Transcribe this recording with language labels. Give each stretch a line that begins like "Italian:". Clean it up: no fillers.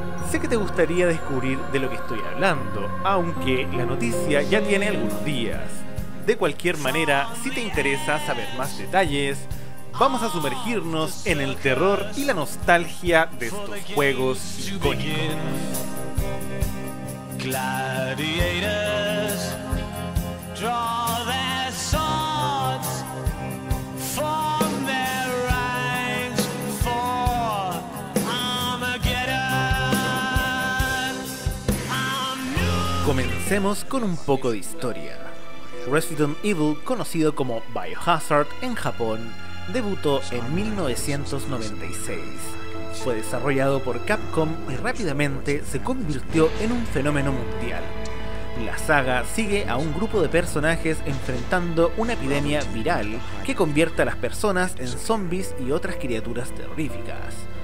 Spanish: Sé que te gustaría descubrir de lo que estoy hablando, aunque la noticia ya tiene algunos días. De cualquier manera, si te interesa saber más detalles, vamos a sumergirnos en el terror y la nostalgia de estos juegos icónicos.
English: Gladiators, draw their swords from their ranks for Armageddon.
Spanish: Comencemos con un poco de historia. Resident Evil, conocido como Biohazard en Japón, debutó en 1996. Fue desarrollado por Capcom y rápidamente se convirtió en un fenómeno mundial. La saga sigue a un grupo de personajes enfrentando una epidemia viral que convierte a las personas en zombies y otras criaturas terroríficas.